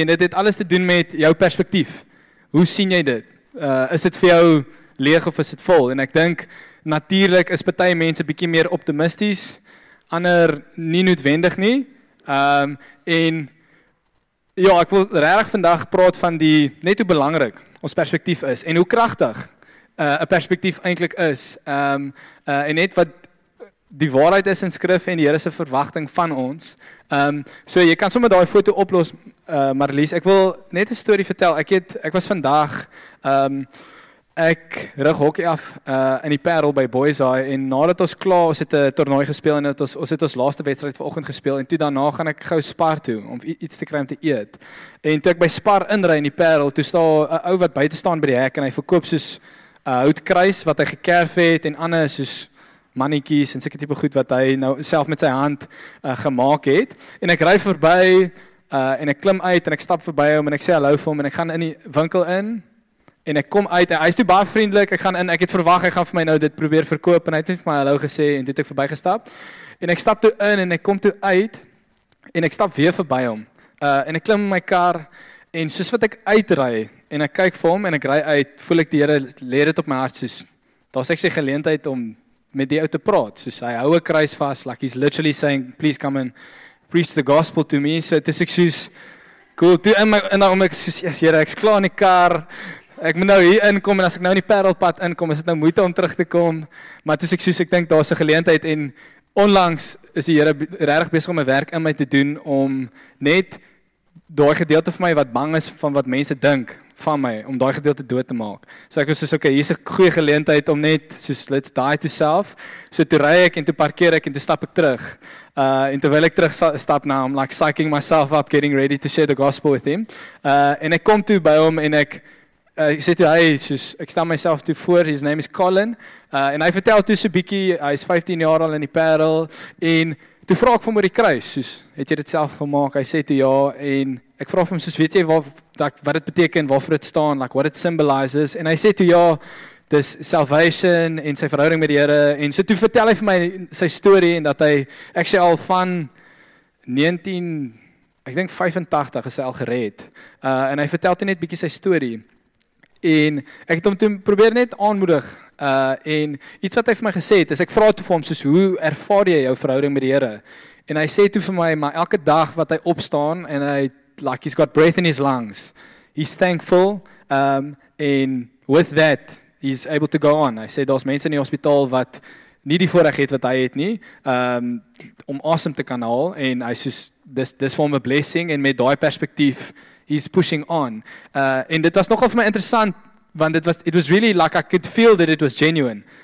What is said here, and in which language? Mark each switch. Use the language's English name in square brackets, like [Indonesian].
[Afrikaans] En dit het alles te doen met jou perspektief. Hoe sien jy dit? Is dit vir jou leeg of is dit vol? En ek dink, natuurlijk is party mense bietjie meer optimisties. Ander nie noodwendig nie. Ek wil regtig vandag praat van die net hoe belangrik ons perspektief is. En hoe krachtig 'n perspektief eintlik is. En net wat die waarheid is in skrif en die Here se verwagting van ons. So jy kan sommer daai foto oplos, Marlies. Ek wil net 'n storie vertel. Ek was vandag ek rig hokkie af in die Parel by Boys High en nadat ons klaar, ons het 'n toernooi gespeel en het ons laaste wedstrijd vanoggend gespeel en toe daarna gaan ek gou Spar toe om iets te kry om te eet. En toe ek by Spar inry in die Parel, toe staan 'n ou wat buite staan by die hek en hy verkoop soos houtkruis wat hy gekerf het en ander soos mannetjies en sekere tipe goed wat hy nou self met sy hand gemaak het. En ek ry verby en ek klim uit en ek stap verby hom en ek sê hallo vir hom en ek gaan in die winkel in en ek kom uit en hy is toe baie vriendelik. Ek gaan in, ek het verwag hy gaan vir my nou dit probeer verkoop en hy het vir my hallo gesê en toe het ek verby gestap. En ek stap toe in en ek kom toe uit en ek stap weer verby hom. En ek klim in my kar en soos wat ek uitry en ek kyk vir hom en ek ry uit, voel ek die Here lê dit op my hart soos daar's ek sy geleentheid om met die ou te praat, soos hy hou 'n kruis vas, [English] like he's literally saying, please come and preach the gospel to me, [Afrikaans] so dis ek soos, cool, toe in my, en daarom ek soos, yes Here, ek is klaar in die kar, ek moet nou hier inkom, en as ek nou in die Parelpad inkom, is dit nou moeite om terug te kom, maar toe ek soos, ek dink, daar's 'n geleentheid, en onlangs is die Here regtig besig om 'n werk in my te doen, om net daai gedeelte van my, wat bang is van wat mense dink, van my, om daai gedeelte dood te maak. So ek was soos, okay, hier is 'n goeie geleentheid om net, soos, [English] let's die to self. [Afrikaans] So toe ry ek, en toe parkeer ek, en toe stap ek terug. En terwyl ek terug stap na hom, [English] like psyching myself up, getting ready to share the gospel with him. [Afrikaans] En ek kom toe by hom, en ek sê toe, hy, soos, ek stel myself toe voor, [English] his name is Colin, [Afrikaans] en hy vertel toe so bietjie, hy is 15 jaar al in die Parel, en toe vraag ek vir hom oor die kruis, soos, het jy dit self gemaak? Hy sê toe ja, en ek vraag hom, soos, weet jy wat dit beteken, waarvoor dit staan, [English] like what it symbolizes, [Afrikaans] en hy sê toe ja, dis salvation, en sy verhouding met die Here, en so toe vertel hy vir my sy story, en dat hy, ek sê al van 19, ek denk 85 is hy al gered, en hy vertel toe net bietjie sy story, en ek het hom toe probeer net aanmoedig, en iets wat hy vir my gesê het, is ek vraag toe vir hom, soos, hoe ervaar jy jou verhouding met die Here, en hy sê toe vir my, maar elke dag wat hy opstaan, en hy [English] like he's got breath in his lungs. He's thankful. And with that, he's able to go on. I said, [Afrikaans] daar's mense in die hospitaal wat nie die voorreg het wat hy het nie, om asem te kan haal. En hy soos, dis vir hom [English] a blessing. [Afrikaans] En met daai perspektief, [English] he's pushing on. [Afrikaans] En dit was nogal vir my interessant, want [English] it was really like I could feel that it was genuine.